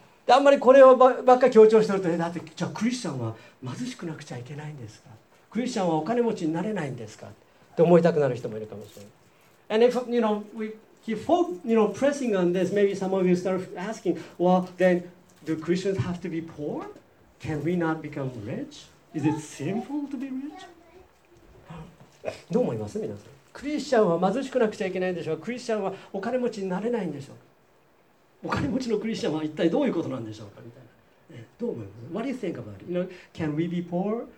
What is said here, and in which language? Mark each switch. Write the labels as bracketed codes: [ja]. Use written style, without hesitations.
[ja] あんまりこれをばっかり強調してると、ね、だってじゃあクリスチャンは貧しくなくちゃいけないんですか、クリスチャンはお金持ちになれないんですかって思いたくなる人もいるかもしれない。 [en] And if you know, we keep pressing on this, maybe some of you start asking, well, then do Christians have to be poor? Can we not become rich? Is it sinful to be rich? [ja] どう思います皆さん、クリスチャンは貧しくなくちゃいけないんでしょう、クリスチャンはお金持ちになれないんでしょう、お金持ちのクリスチャンは一体どういうことなんでしょうかみたいな、どう思います？ [en] What do you think about it? You know, can we be poor?